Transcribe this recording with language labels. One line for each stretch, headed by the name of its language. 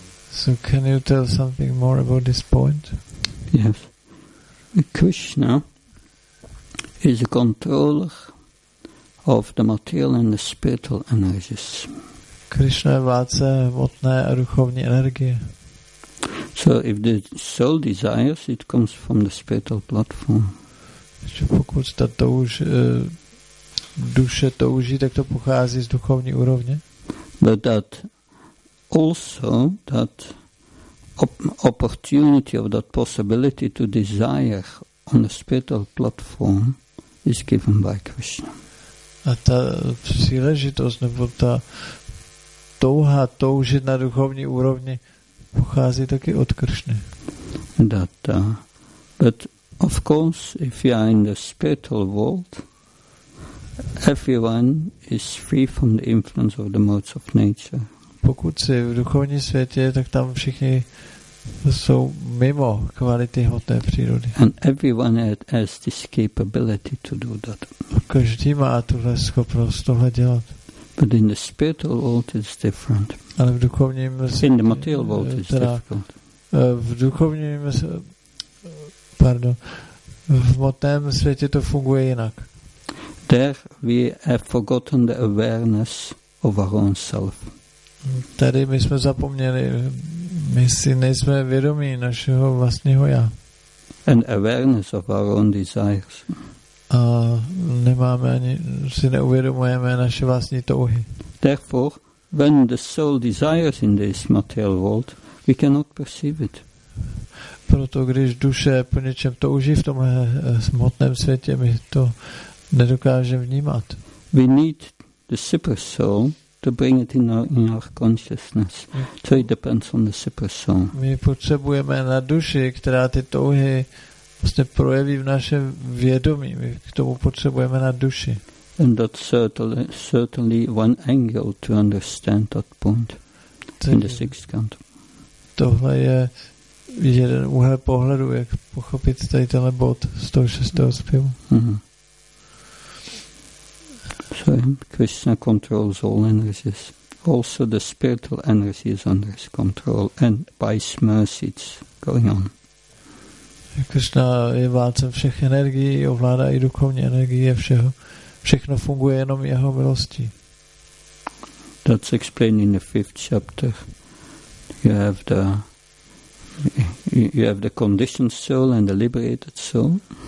English: So can you tell something more about this point? Yes. Krishna is the controller of the material and the spiritual energies.
Czech: Krishna je vládce hmotné a duchovní energie.
English: So if the soul desires, it comes from the spiritual platform.
Czech: Pokud ta touha duše touží, tak to pochází z duchovní úrovně.
English: But that also that opportunity of that possibility to desire on a spiritual platform is given by Krishna.
Czech: A ta příležitost nebo ta touha toužit na duchovní úrovni pochází taky od Krishny.
English: But of course if you are in the spiritual world, everyone is free from the influence of the modes of nature.
Czech: Pokud jsi v duchovní světě, tak tam všichni jsou mimo kvality hmotné přírody.
English: And everyone has this capability to do that.
Czech: Každý má tuhle schopnost tohle dělat.
English: But in the spiritual world it's different.
Czech: Ale v duchovním světě,
English: in the material world it's difficult.
Czech: V duchovním v hmotném světě to funguje jinak.
English: There we have forgotten the awareness of our own self.
Czech: Tady my jsme zapomněli, my si nejsme vědomí našeho vlastního já.
English: And awareness of our own desires.
Czech: A nemáme ani, si neuvědomujeme naše vlastní touhy.
English: Therefore, when the soul desires in this material world, we cannot perceive it.
Czech: Proto když duše po něčem touží v tomhle hmotném světě, my to nedokážeme vnímat.
English: We need the super soul to bring it in our consciousness. So it depends on the super soul.
Czech: My potřebujeme na duši, která ty touhy vlastně projeví v našem vědomí. My k tomu potřebujeme na duši.
English: And that's certainly one angle to understand that point in the sixth count.
Czech: Tohle je jeden úhel pohledu, jak pochopit tady tenhle bod z toho šestého zpěvu.
English: So Krishna controls all energies. Also the spiritual energy is under his control and by his mercy it's going on.
Czech: Krishna je vládcem všech energií, ovládá i duchovní energii a všeho. Všechno funguje jenom jeho milostí.
English: That's explained in the fifth chapter. You have the conditioned soul and the liberated soul.